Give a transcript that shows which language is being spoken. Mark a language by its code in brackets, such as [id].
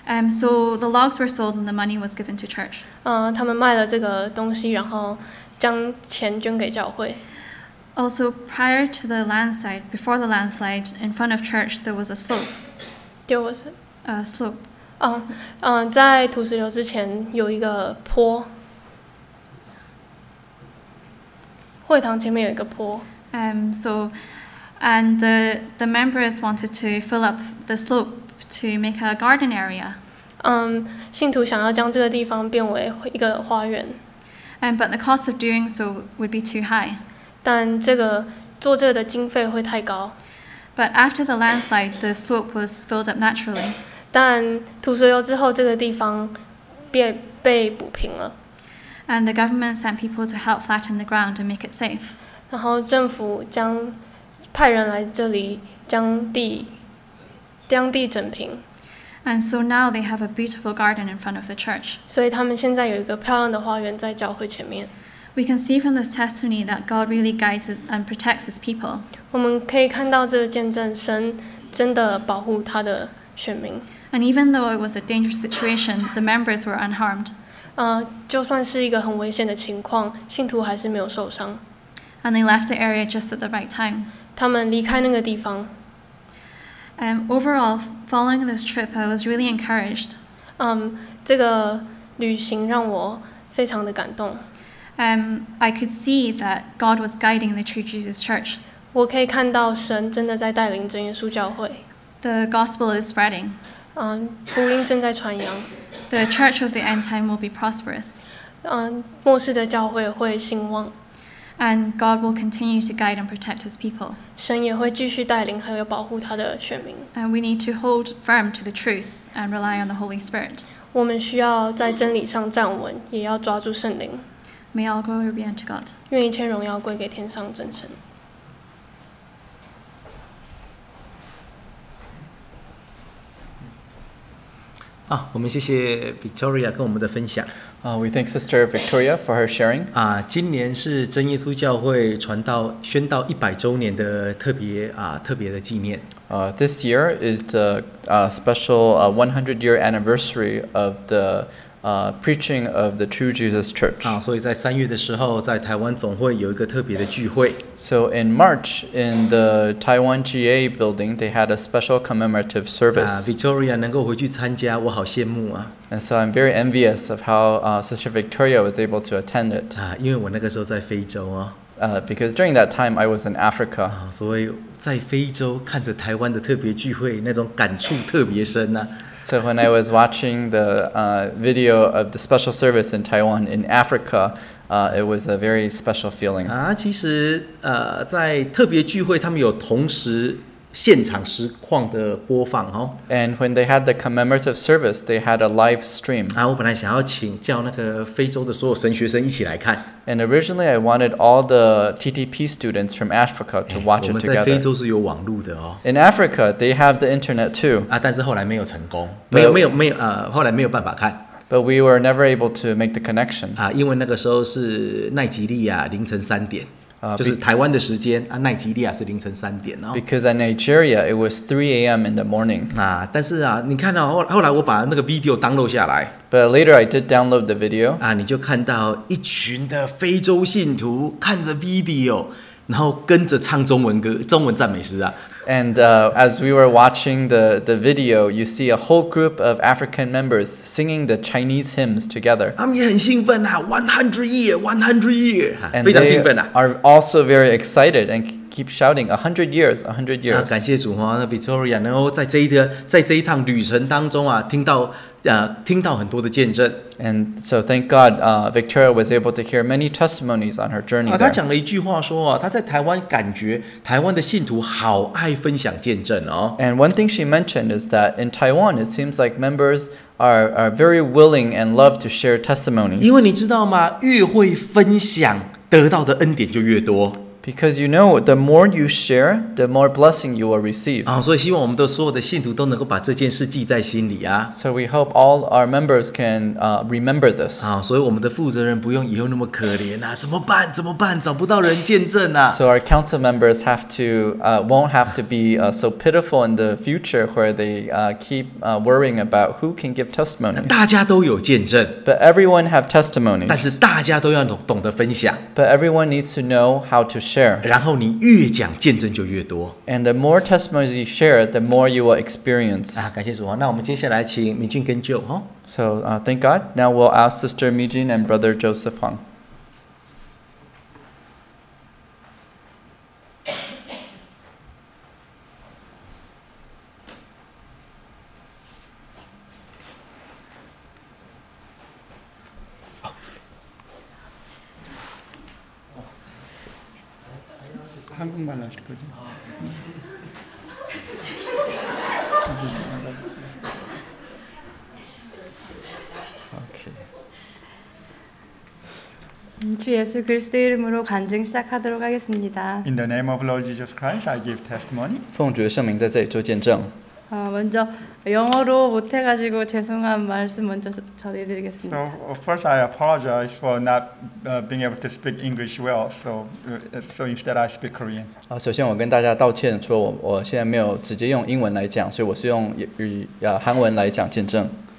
[en] So the logs were sold and the money was given to church. [zh] 他们卖了这个东西，然后将钱捐给教会。 [en] Also, prior to the landslide, before the landslide, in front of church, there was a slope. There was a slope. [zh] 在土石流之前有一个坡。会堂前面有一个坡。 [en] The members wanted to fill up the slope to make a garden area. [zh] 信徒想要将这个地方变为一个花园。 [en] But the cost of doing so would be too high. [zh] 但这个做这个的经费会太高。 [en] But after the landslide, the slope was filled up naturally. [zh] 但土石流之后，这个地方被补平了。 [en] And the government sent people to help flatten the ground and make it safe. [zh] 然后政府派人来这里将地整平。 [en] And so now they have a beautiful garden in front of the church. [zh] 所以他们现在有一个漂亮的花园在教会前面。 [en] We can see from this testimony that God really guides and protects His people. [zh] 我们可以看到这个见证，神真的保护他的选民。 [en] And even though it was a dangerous situation, the members were unharmed. [zh] 就算是一个很危险的情况，信徒还是没有受伤。 [en] And they left the area just at the right time. [zh] 他们离开那个地方。 [en] Overall, following this trip, I was really encouraged. [zh] 这个旅行让我非常的感动。 [en] I could see that God was guiding the True Jesus Church. [zh] 我可以看到神真的在带领真耶稣教会。 [en] The gospel is spreading. [zh] 福音正在传扬。 [en] The church of the end time will be prosperous. [zh] 末世的教会会兴旺。 [en] And God will continue to guide and protect His people. [zh] 神也会继续带领和保护他的选民。 [en] And we need to hold firm to the truth and rely on the Holy Spirit. [zh] 我们需要在真理上站稳，也要抓住圣灵。 [en] May all glory be unto God. [zh] 愿一切荣耀归给天上真神。我们谢谢 Victoria 跟我们的分享。 [en] We thank Sister Victoria for her sharing. [zh] 今年是真耶稣教会宣道100周年的特别的纪念。 [en] This year is the special 100-year anniversary of the preaching of the True Jesus Church. [zh] 所以在三月的时候，在台湾总会有一个特别的聚会。 [en] So in March, in the Taiwan GA building, they had a special commemorative service. [zh] Victoria 能够回去参加，我好羡慕啊。 [en] And so I'm very envious of how Sister Victoria was able to attend it. [zh] 因为我那个时候在非洲啊。 [en] Because during that time I was in Africa. [zh] 所以在非洲看着台湾的特别聚会，那种感触特别深啊。 [en] So when I was watching the video of the special service in Taiwan in Africa, it was a very special feeling. [zh] 其实在特别聚会他们有同时现场实况的播放哦。 [en] And when they had the commemorative service, they had a live stream. [zh] 我本来想要请叫那个非洲的所有神学生一起来看。 [en] And originally, I wanted all the TTP students from Africa to watch it together. [zh] 我们在非洲是有网络的哦。 [en] In Africa, they have the internet too. [zh] 但是后来没有成功，没有，后来没有办法看。 [en] But we were never able to make the connection. [zh] 因为那个时候是奈及利亚凌晨三点。就是台湾的时间奈及利亚是凌晨三点、哦、 [en] Because in Nigeria it was 3 a.m. in the morning. [zh] 但是你看到、后来我把那个 video download 下来。 [en] But later I did download the video. [zh] 你就看到一群的非洲信徒看着 video， 然后跟着唱中文歌，中文赞美诗啊。 [en] And as we were watching the video, you see a whole group of African members singing the Chinese hymns together. [zh] 他们也很兴奋啊 ， [en] 100 year, 100 year, [zh] 非常兴奋啊。 [en] And they are also very excited and keep shouting 100 years 100 years、 [zh] 感谢主、Victoria 能够在 这一趟旅程当中、听到很多的见证。 [en] And so thank God、Victoria was able to hear many testimonies on her journey、 [zh] 她讲了一句话说、她在台湾感觉台湾的信徒好爱分享见证、 [en] And one thing she mentioned is that in Taiwan it seems like members are very willing and love to share testimonies. [zh] 因为你知道吗？越会分享得到的恩典就越多。 [en] Because you know, the more you share, the more blessing you will receive. [zh] 所以希望我们的所有的信徒都能够把这件事记在心里啊。 [en] So we hope all our members can remember this. [zh] 所以我们的负责人不用以后那么可怜啊，怎么办？怎么办？找不到人见证啊。 [en] So our council members have to won't have to be so pitiful in the future where they keep worrying about who can give testimony. [zh] 大家都有见证。 [en] But everyone have testimonies. [zh] 但是大家都要懂得分享。 [en] But everyone needs to know how to share. [zh] 然后你越讲见证就越多。 [en] And the more testimonies you share, the more you will experience. [zh] 感谢主啊，那我们接下来请明俊跟舅。 [en] So thank God. Now we'll ask Sister Mijin and Brother Joseph Hong. [ko] 한국말 하실 거죠? 주 예수 그리스도 이름으로 간증 시작하도록 하겠습니다. [en] In the name of Lord Jesus Christ, I give testimony. [zh] 奉主的圣名在这里做见证。 [ko] 먼저영어로못해가지고죄송한말씀먼저전해드리겠습니다 [en] So first, I apologize for not being able to speak English well. So instead, I speak Korean. [zh] 首先我跟大家道歉，说我现在没有直接用英文来讲，所以我是用韩文来讲见证。